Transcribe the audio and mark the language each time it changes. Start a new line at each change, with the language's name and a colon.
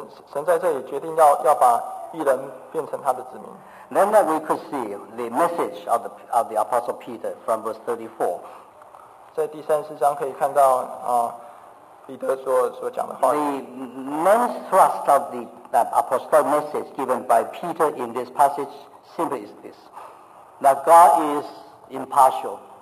Chinese: 神在这里决定要把义人变成他的子民。
English: Then we could see the message of the Apostle Peter from verse 34.
Chinese: 在第三十四章可以看到彼得所讲的话。
English: The main thrust of the apostolic message given by Peter in this passage simply is this: that God is impartial.